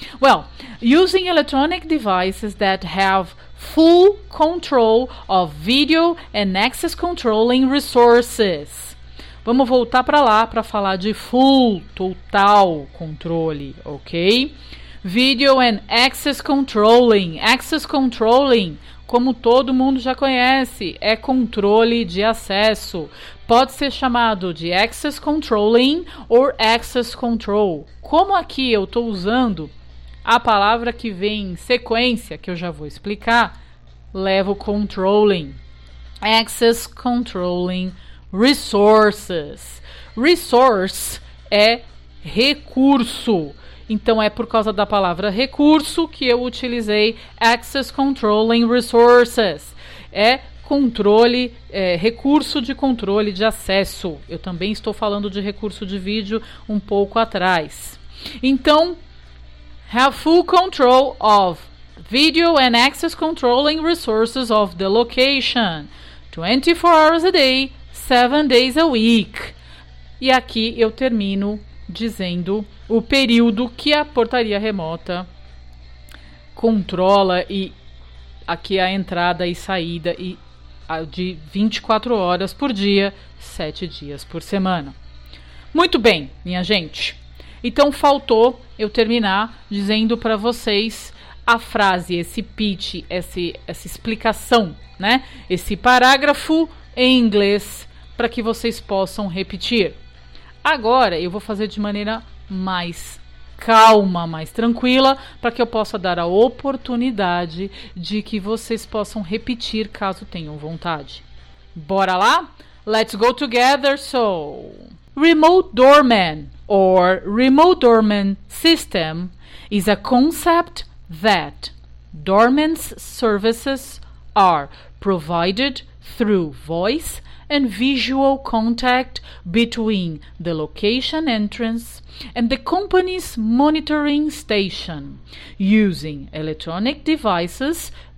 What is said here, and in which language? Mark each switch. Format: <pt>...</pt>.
<en>Well, using electronic devices that have full control of video and access controlling resources.</en> <pt>Vamos voltar para lá para falar de full, total controle, ok?</pt> <en>Video and access controlling. Access controlling,</en> <pt>como todo mundo já conhece, é controle de acesso. Pode ser chamado de</pt> <en>access controlling or access control.</en> <pt>Como aqui eu estou usando a palavra que vem em sequência, que eu já vou explicar, levo controlling.</pt> <en>Access controlling resources.</en> <pt>Resource é recurso. Então, é por causa da palavra recurso que eu utilizei</pt> <en>access controlling resources.</en> <pt>É controle, é recurso de controle de acesso. Eu também estou falando de recurso de vídeo um pouco atrás.</pt> <en>Então, have full control of video and access controlling resources of the location. 24 hours a day, 7 days a week.</en> <pt>E aqui eu termino dizendo o período que a portaria remota controla, e aqui a entrada e saída, e de 24 horas por dia, 7 dias por semana. Muito bem, minha gente. Então, faltou eu terminar dizendo para vocês a frase, esse pitch, essa explicação, né? Esse parágrafo em inglês para que vocês possam repetir. Agora, eu vou fazer de maneira mais calma, mais tranquila, para que eu possa dar a oportunidade de que vocês possam repetir, caso tenham vontade. Bora lá?</pt> <en>Let's go together, so... Remote doorman, or remote doorman system, is a concept that doorman's services are provided through voice and visual contact between the location entrance and the company's monitoring station, using electronic devices</en>